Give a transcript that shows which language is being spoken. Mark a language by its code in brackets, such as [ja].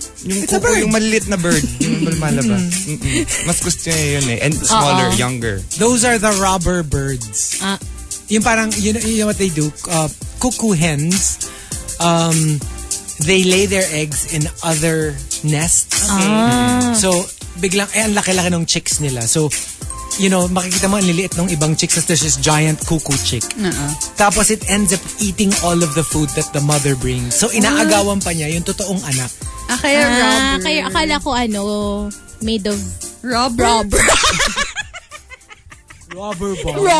[tl] Yung cuckoo, yung maliit na bird. Yung malabas. Mas gusto niya yun eh. [en] And smaller, younger. Those are the robber birds. Yung parang, you know what they do? Cuckoo hens, they lay their eggs in other nests. Ah. [tl] So, biglang, ang laki-laki ng chicks nila. So, [en] you know, [tl] makikita mo ang liliit ng ibang [en] chicks as this giant cuckoo chick. Uh-uh. Tapos it ends up eating all of the food that the mother brings. [tl] So inaagawan pa niya yung totoong anak. Ah, kaya rubber. Kaya akala ko ano, [en] made of rubber. Rubber bond.